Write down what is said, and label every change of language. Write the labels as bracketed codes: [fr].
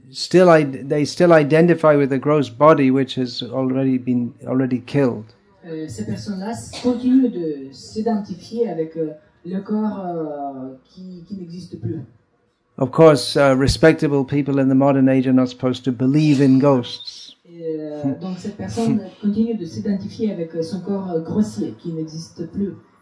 [en] they still identify with a gross body which has already been killed. [fr] Ces personnes-là continuent de s'identifier avec le corps qui n'existe plus. [en] Of course, respectable people in the modern age are not supposed to believe in ghosts. [fr] Donc cette personne continue de s'identifier avec son corps grossier qui n'existe plus.